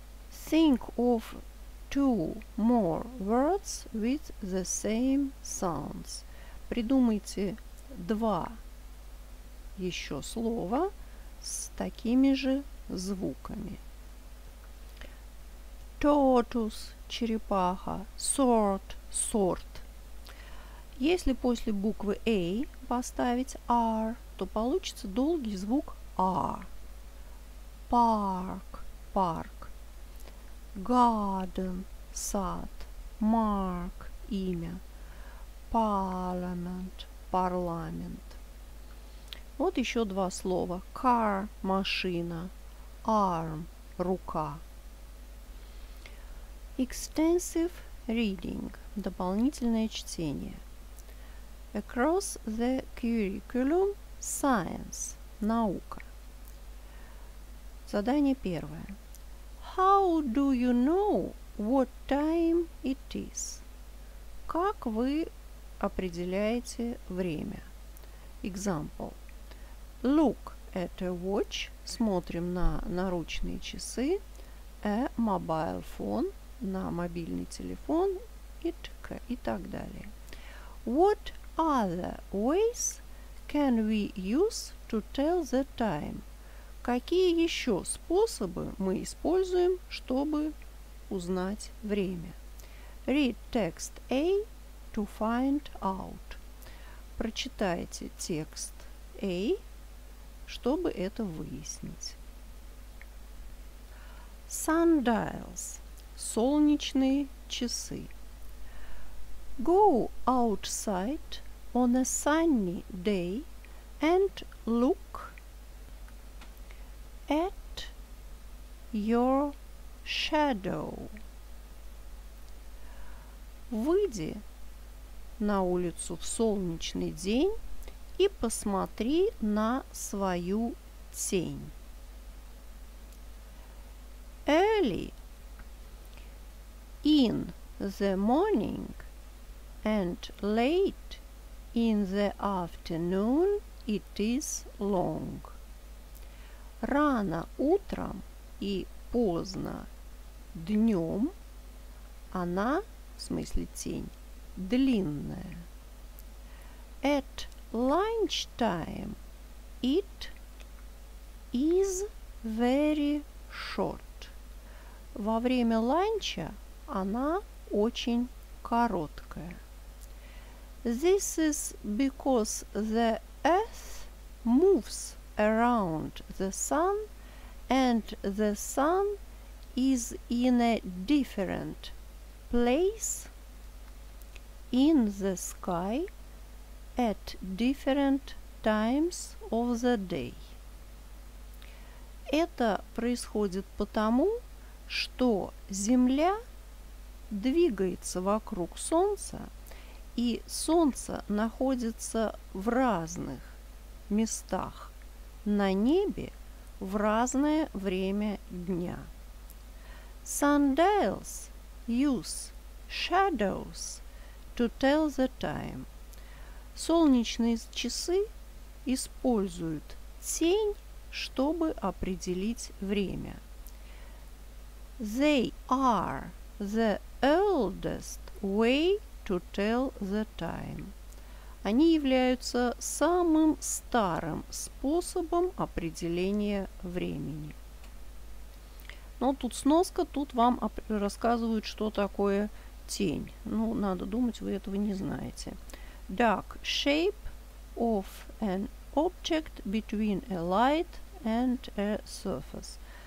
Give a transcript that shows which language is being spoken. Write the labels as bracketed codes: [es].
[en] Think of two more words with the same sounds. [ru] Придумайте два еще слова с такими же звуками. [en] Tortoise – черепаха. Sort – sort. [ru] Если после буквы A поставить R, то получится долгий звук A. [en] Park – парк. Garden – сад. Mark – имя. Parliament – парламент. [ru] Вот еще два слова. Car – машина. Arm – рука. [en] Extensive reading – дополнительное чтение. Across the curriculum – science – наука. Задание первое. How do you know what time it is? [ru] Как вы определяете время? [en] Example. Look at a watch – смотрим на наручные часы. [ru] A mobile phone – на мобильный телефон и так далее. [en] What other ways can we use to tell the time? [ru] Какие еще способы мы используем, чтобы узнать время? [en] Read text A to find out. [ru] Прочитайте текст A, чтобы это выяснить. Sundials. Солнечные часы. [en] Go outside on a sunny day and look at your shadow. [ru] Выйди на улицу в солнечный день и посмотри на свою тень. [en] Early in the morning and late in the afternoon it is long. [ru] Рано утром и поздно днем, Она, в смысле тень, длинная. [en] At lunchtime it is very short. [ru] Во время ланча она очень короткая. [en] This is because the earth moves around the sun and the sun is in a different place in the sky at different times of the day. [ru] Это происходит потому, что Земля двигается вокруг Солнца, и Солнце находится в разных местах на небе в разное время дня. [en] Sundials use shadows to tell the time. [ru] Солнечные часы используют тень, чтобы определить время. [en] They are the oldest way to tell the time. [ru] Они являются самым старым способом определения времени. Но тут сноска, тут вам рассказывают, что такое тень. Ну, надо думать, вы этого не знаете. [en] Dark shape of an object between a light and a surface.